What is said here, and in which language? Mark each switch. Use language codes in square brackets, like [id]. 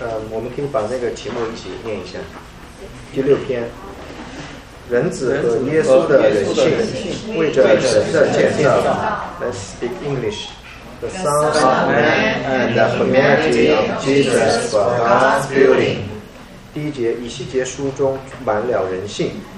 [zh] 我们可以把那个题目一起念一下。第六篇，人子和耶稣的人性，为着神的建造。 [en] Let's speak English. The Son of Man and the Humanity of Jesus for God's Building. [zh] 第一节，以西结书中满了人性。